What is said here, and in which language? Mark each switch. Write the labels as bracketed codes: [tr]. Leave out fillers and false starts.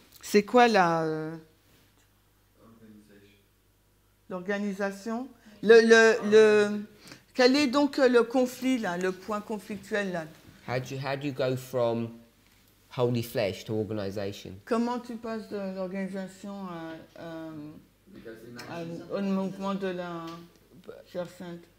[fr] C'est quoi la l'organisation, le quel est donc le conflit là, le point conflictuel là? [en] How do you go from holy flesh to organization? [fr] Comment tu passes de l'organisation à un mouvement de la chair sainte?